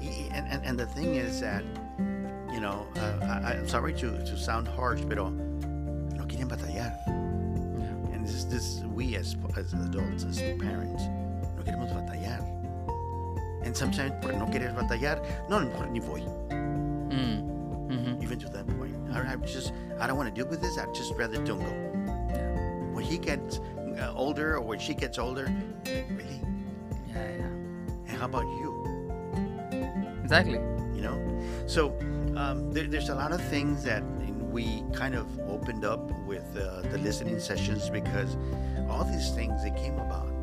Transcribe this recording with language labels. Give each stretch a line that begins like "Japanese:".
English: And the thing is that, you know, I'm sorry to sound harsh,
Spanish: pero no quieren batallar.
English: And this we as adults, as parents,
Spanish: no queremos batallar.
English: And sometimes,
Spanish: por no querer batallar, no, mejor ni voy. Mm-hmm.
English: Even to that point. I don't want to deal with this. I'd just rather don't go. Yeah. When he gets older or when she gets older, like, really? Yeah. And how about you? Exactly. You know, so there's a lot of things that we kind of opened up with the listening sessions, because all these things, they came about.